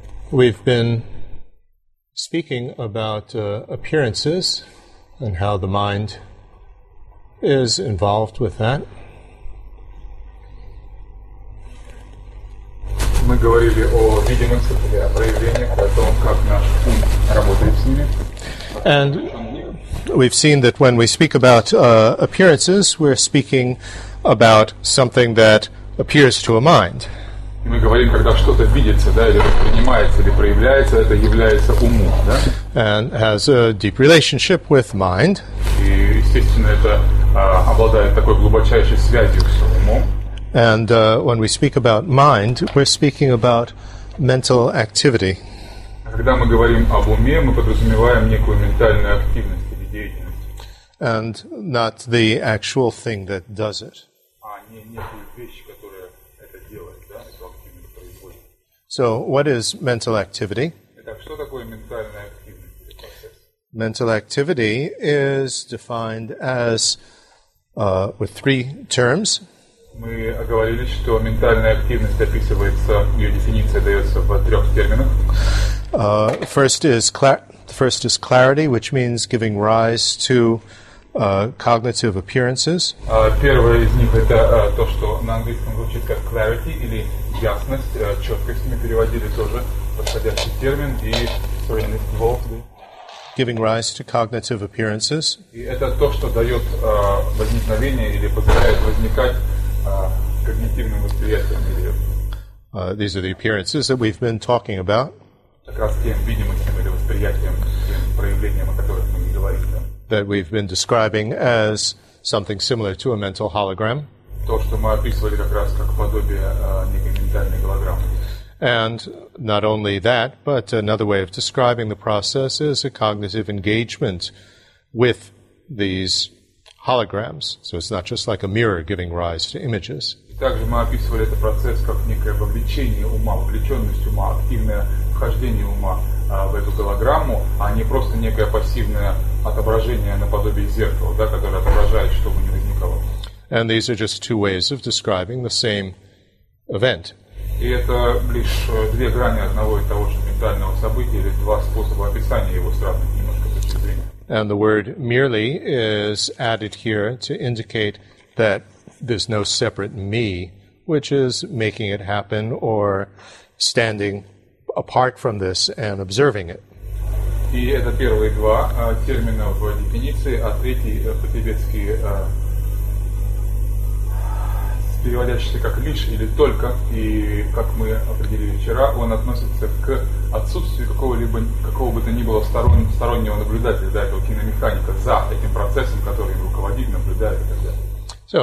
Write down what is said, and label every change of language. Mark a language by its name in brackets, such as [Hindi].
[English] We've been speaking about appearances and how the mind is involved with that. [Russian] Мы говорили о видимости или о проявлениях, о том, как наш ум работает с ними. [English] And we've seen that when we speak about appearances, we're speaking about something that appears to a mind. [Russian] Мы говорим, когда что-то видится, да, или воспринимается, или проявляется, это является умом, да? [English] And has a deep relationship with mind. [Russian] И, естественно, это обладает такой глубочайшей связью с умом. [English] And when we speak about mind, we're speaking about mental activity. [Russian] Когда мы говорим об уме, мы подразумеваем некую ментальную активность или деятельность. [English] And not the actual thing that does it. [Russian] А не некую вещь, которая это делает, да, эту активность производит. [English] So, what is mental activity? [Russian] Итак, что такое ментальная активность? [English] Mental activity is defined as with three terms. [Russian] Мы оговорились, что ментальная активность описывается, ее дефиниция дается в трех терминах. [English] First is clarity, which means giving rise to cognitive appearances. [Russian] Первое из них это то, что на английском звучит как clarity или ясность, четкость. Мы переводили тоже подходящий термин и [English] serenity, boldly. Giving rise to cognitive appearances. [Russian] И это то, что дает возникновение или позволяет возникать когнитивным восприятием. [English] These are the appearances that we've been talking about. [Russian] Как раз тем видимостям или восприятиям, тем проявлениям, о которых мы не говорили. Да? [English] That we've been describing as something similar to a mental hologram. [Russian] То, что мы описывали как раз как подобие некой ментальной голограммы. [English] And not only that, but another way of describing the process is a cognitive engagement with these holograms. So it's not just like a mirror giving rise to images. [Russian] Также мы описывали этот процесс как некое вовлечение ума, вовлеченность ума, активное вхождение ума в эту голограмму, а не просто некое пассивное отображение наподобие зеркала, да, которое отображает, чтобы не возникало. [English] And these are just two ways of describing the same event. [Russian] И это лишь две грани одного и того же ментального события, или два способа описания его с разных немножко точек зрения. [English] And the word merely is added here to indicate that there's no separate me, which is making it happen or standing apart from this and observing it. [Russian] И это первые два термина в дефиниции, а третий по-тибетски переводящийся как лишь или только, и как мы определили вчера, он относится к отсутствию какого бы то ни было стороннего наблюдателя, да, этого киномеханика за этим процессом, который руководит, наблюдает и так далее.